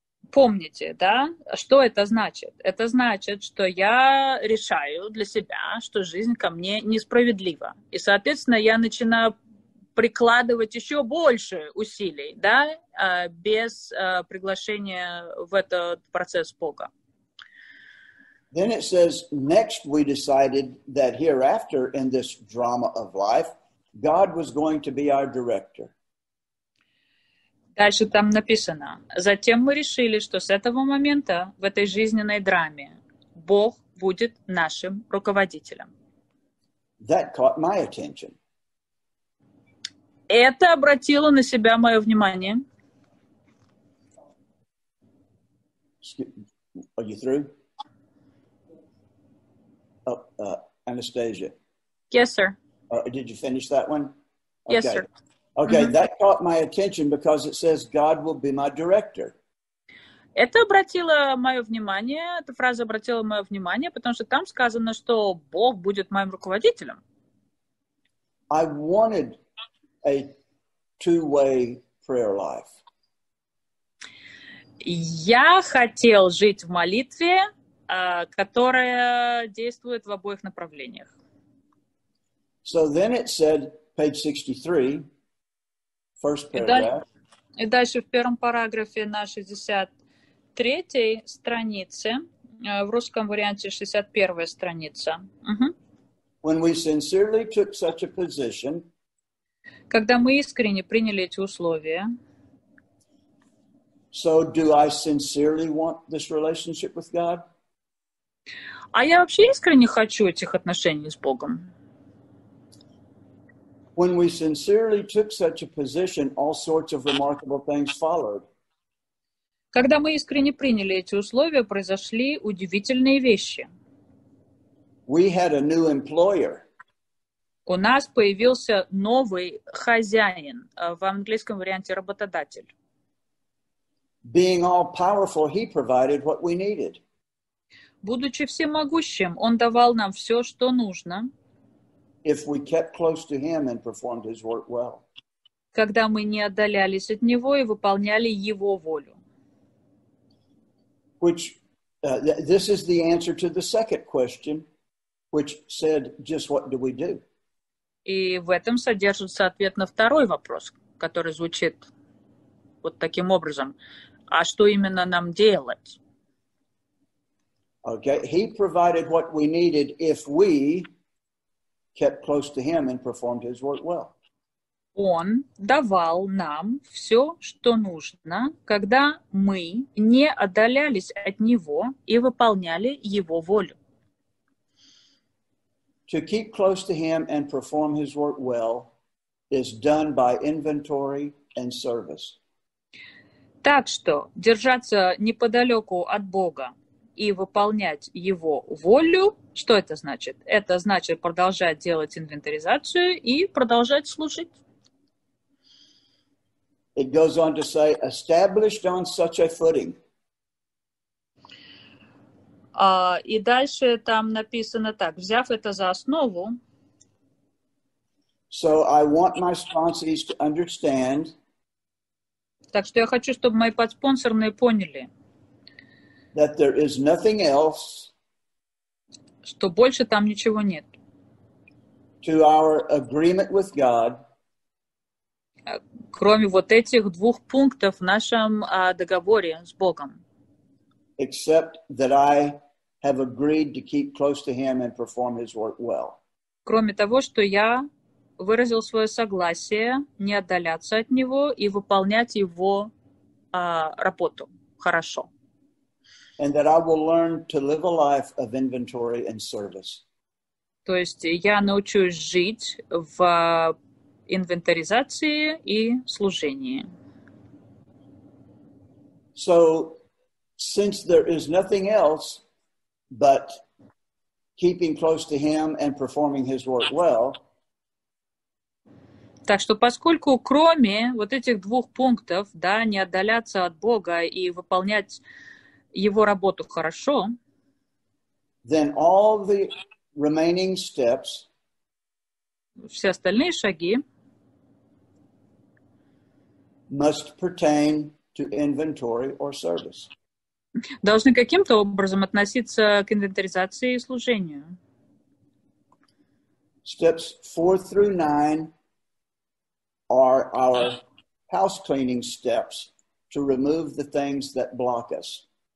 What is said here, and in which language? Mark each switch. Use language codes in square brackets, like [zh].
[ru] Помните, да, что это значит? Это значит, что я решаю для себя, что жизнь ко мне несправедлива, и, соответственно, я начинаю прикладывать еще больше усилий, да, без приглашения в этот процесс Бога. [en] Then it says, next we decided that hereafter in this drama of life, God was going to be our director. [ru] Дальше там написано. Затем мы решили, что с этого момента в этой жизненной драме Бог будет нашим руководителем. [en] That caught my attention. [ru] Это обратило на себя мое внимание. [en] Are you through? Anastasia. Yes, sir. Did you finish that one? Okay. Yes, sir. Okay, mm-hmm. That caught my attention because it says God will be my director. [ru] Это обратило мое внимание, эта фраза обратила мое внимание, потому что там сказано, что Бог будет моим руководителем. [en] I wanted a two-way prayer life. [ru] Я хотел жить в молитве, которая действует в обоих направлениях. [en] So then it said, page 63, first paragraph. [ru] И дальше в первом параграфе на 60, третьей странице, в русском варианте 61-я страница. [en] When we sincerely took such a position, [ru] когда мы искренне приняли эти условия, [en] so do I sincerely want this relationship with God? [ru] А я вообще искренне хочу этих отношений с Богом. [en] When we sincerely took such a position, all sorts of remarkable things followed. [ru] Когда мы искренне приняли эти условия, произошли удивительные вещи. [en] We had a new employer. [ru] У нас появился новый хозяин, в английском варианте работодатель. [en] Being all powerful, he provided what we needed. [ru] Будучи всемогущим, он давал нам все, что нужно. [en] If we kept close to him and performed his work well. [ru] Когда мы не отдалялись от него и выполняли его волю. [en] Which this is the answer to the second question, which said, just what do we do? [ru] И в этом содержится ответ на второй вопрос, который звучит вот таким образом. А что именно нам делать? [en] Okay, he provided what we needed if we kept close to him and performed his work well. [ru] Он давал нам все, что нужно, когда мы не отдалялись от него и выполняли его волю. [en] To keep close to him and perform his work well is done by inventory and service. [ru] Так что держаться неподалеку от Бога и выполнять его волю, что это значит? Это значит продолжать делать инвентаризацию и продолжать служить. [en] It goes on to say, established on such a footing. [ru] И дальше там написано так, взяв это за основу. [en] So I want my sponsors to understand. [ru] Так что я хочу, чтобы мои подспонсорные поняли. [en] That there is nothing else. [ru] Что больше там ничего нет. [en] To our agreement with God. [ru] Кроме вот этих двух пунктов в нашем договоре с Богом. [en] Except that I have agreed to keep close to him and perform his work well. [ru] Кроме того, что я выразил свое согласие не отдаляться от него и выполнять его работу хорошо. [en] And that I will learn to live a life of inventory and service. [ru] То есть я научусь жить в инвентаризации и служении. [en] So, since there is nothing else but keeping close to him and performing his work well. [ru] Так что поскольку кроме вот этих двух пунктов, да, не отдаляться от Бога и выполнять его работу хорошо, [en] then all the remaining steps, [ru] все остальные шаги [en] must pertain to inventory or service. [ru] Должны каким-то образом относиться к инвентаризации и служению. [en] Steps 4 through 9 are our house cleaning steps to remove the things that block us.